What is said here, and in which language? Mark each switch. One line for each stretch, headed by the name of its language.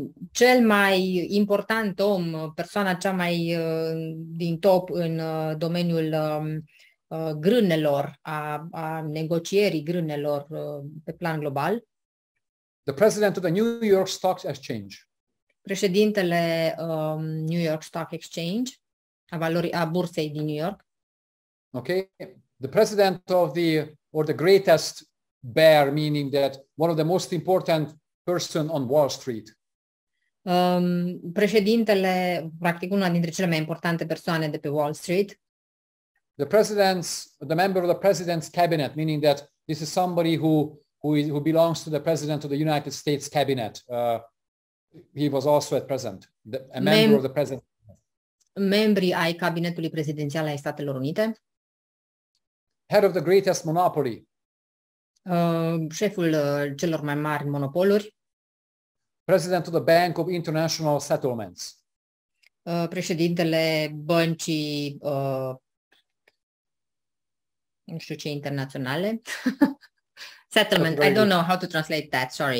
Romanian: Cel mai important om, persoana cea mai din top în domeniul grânelor, a negocierii grânelor pe plan global.
English: The president of the New York Stock Exchange.
Romanian: Președintele New York Stock Exchange, a bursei din New York.
English: Okay, the president of the, or the greatest bear, meaning that one of the most important person on Wall Street.
Romanian: Președintele, practic una dintre cele mai importante persoane de pe Wall Street.
English: The president's, the member of the president's cabinet, meaning that this is somebody who belongs to the president of the United States cabinet. He was also at present, a member of the president.
Romanian: Membrii ai cabinetului prezidențial ai Statelor Unite.
English: Head of the greatest monopoly.
Romanian: Șeful celor mai mari monopoluri.
English: President of the Bank of International Settlements.
Romanian: Președintele băncii, nu știu ce, internaționale.
English: Settlement, I don't know how to translate that, sorry.